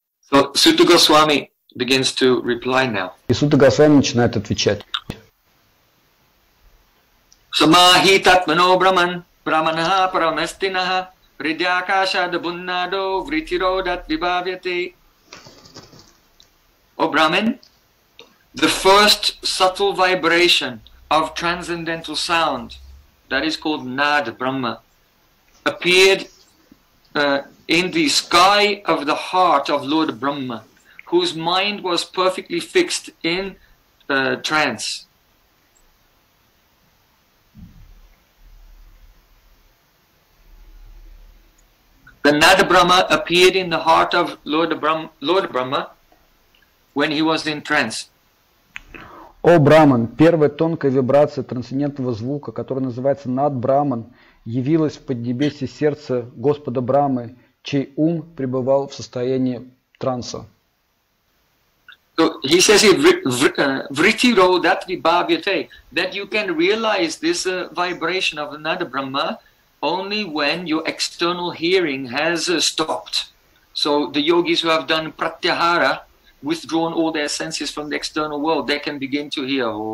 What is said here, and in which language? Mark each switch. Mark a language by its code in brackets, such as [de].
[en] So, Сута Госвами begins to reply now. [ru] И Сута Госвами начинает отвечать. [sa] Самахи татмано браман, браманаха парамастинаха. Ридьякаша дабуннадо вритиродат вибавьяте. [en] О брамен, the first subtle vibration of transcendental sound, that is called nad brahma, appeared in the sky of the heart of Lord Brahma, whose mind was perfectly fixed in trance. The Nad Brahma appeared in the heart of Lord Brahma when he was in trance. [ru] О Браман, первая тонкая вибрация трансцендентного звука, которая называется Над Браман, явилась в поднебесье сердца Господа Брамы, чей ум пребывал в состоянии транса. [en] So he says it vritti ro dat vibhavyate, that you can realize this vibration of Nad Brahma only when your external hearing has stopped. So the yogis who have done pratyahara, withdrawn all their senses from the external world, they can begin to hear.